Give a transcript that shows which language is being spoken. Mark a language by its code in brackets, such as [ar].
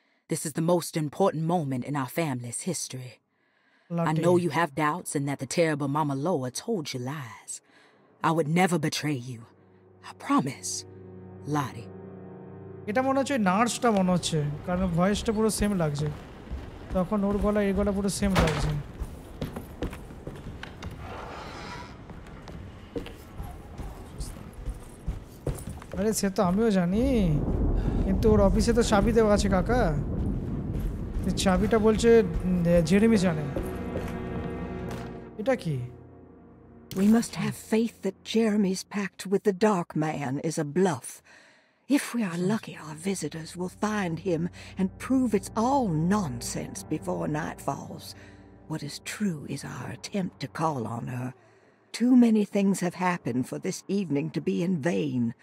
[en] This is the most important moment in our family's history. I know you have doubts and that the terrible Mama Loa told you lies. I would never betray you. I promise. Lottie. [bn] এটা মনে হচ্ছে নার্সটা মনে হচ্ছে, কারণ ভয়েসটা পুরো same লাগছে। তখন ওর গলা এই গলা পুরো সেম লাগছে। আরে সে তো আমিও জানি, কিন্তু ওর অফিসে তো চাবি দেওয়া আছে কাকা, চাবিটা বলছে জেরেমি জানে। এটা কি? [en] We must have faith that Jeremy's pact with the dark man is a bluff. If we are lucky, our visitors will find him and prove it's all nonsense before night falls. What is true is our attempt to call on her. Too many things have happened for this evening to be in vain.